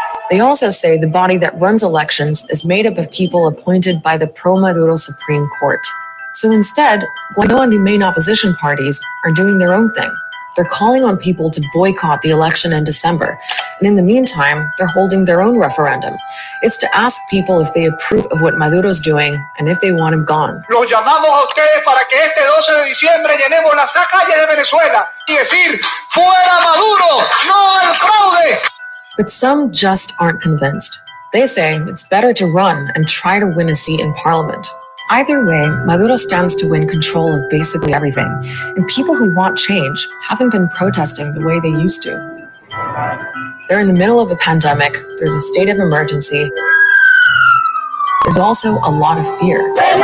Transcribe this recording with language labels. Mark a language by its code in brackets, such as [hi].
[en] They also say the body that runs elections is made up of people appointed by the pro-Maduro Supreme Court. So instead, Guaido and the main opposition parties are doing their own thing. They're calling on people to boycott the election in December. And in the meantime, they're holding their own referendum. It's to ask people if they approve of what Maduro's doing and if they want him gone. [es] Los llamamos a ustedes para que este 12 de diciembre llenemos las calles de Venezuela y decir, ¡Fuera Maduro! ¡No al fraude! [en] But some just aren't convinced. They say it's better to run and try to win a seat in parliament. Either way, Maduro stands to win control of basically everything, and people who want change haven't been protesting the way they used to. They're in the middle of a pandemic, there's a state of emergency, there's also a lot of fear.